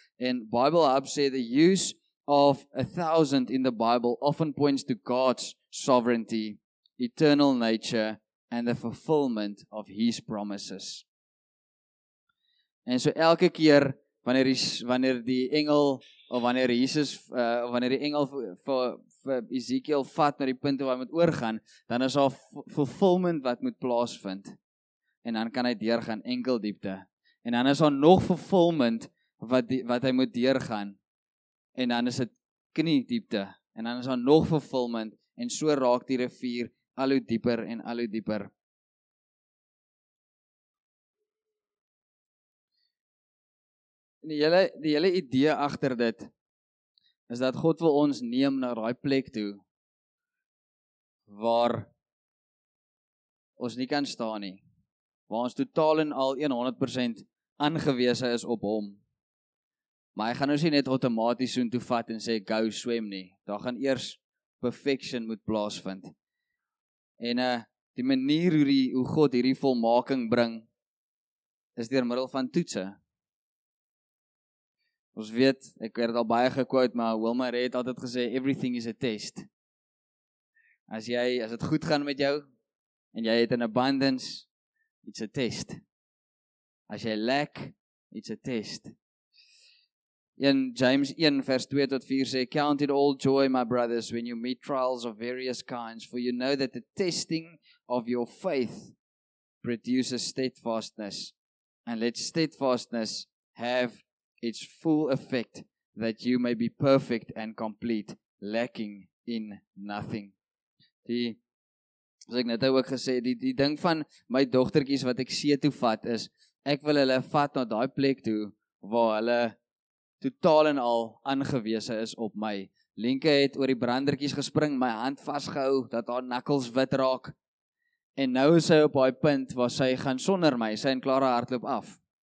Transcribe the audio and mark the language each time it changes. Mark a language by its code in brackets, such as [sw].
[af] En Bible Hub sê [en] the use of 1,000 in the Bible often points to God's sovereignty, eternal nature, and the fulfillment of His promises. [af] En so elke keer wanneer die engel of wanneer Jesus wanneer die engel vir Ezekiel vat na die punt waar hy moet oorgaan, dan is daar fulfillment wat moet plaasvind. En dan kan hy deurgaan enkel diepte. En dan is daar nog fulfillment wat hy moet deurgaan. En dan is dit knie diepte. En dan is daar nog fulfillment en so raak die rivier al hoe dieper en al hoe dieper. En die hele idee agter dit is dat God wil ons neem na daai plek toe waar ons nie kan staan nie. Waar ons totaal en al 100% aangewese is op hom. Maar hy gaan ons nie net outomaties soontoe vat en sê [en] go swim [af] nie. Daar gaan eers perfection moet plaasvind. En die manier hoe God hierdie volmaking bring is deur middel van toetse. Ons weet, ek het al baie gequote, maar Wilma Ray het altyd gesê, [en] everything is a test. [af] As het goed gaan met jou, en jy het in abundance, [en] it's a test. [af] As jy [en] lack, it's a test. [af] In James 1 vers 2 tot 4 sê, [en] count it all joy, my brothers, when you meet trials of various kinds, for you know that the testing of your faith produces steadfastness, and let steadfastness have its full effect, that you may be perfect and complete, lacking in nothing. [af] Die, as ek net ook gesê, die ding van my dogtertjies wat ek see toe vat is, ek wil hulle vat na die plek toe, waar hulle totaal en al aangewese is op my. Linke het oor die brandertjies gespring, my hand vastgehou, dat haar knuckles wit raak, en nou is sy op die punt, waar sy gaan sonder my, sy en Klara hardloop af.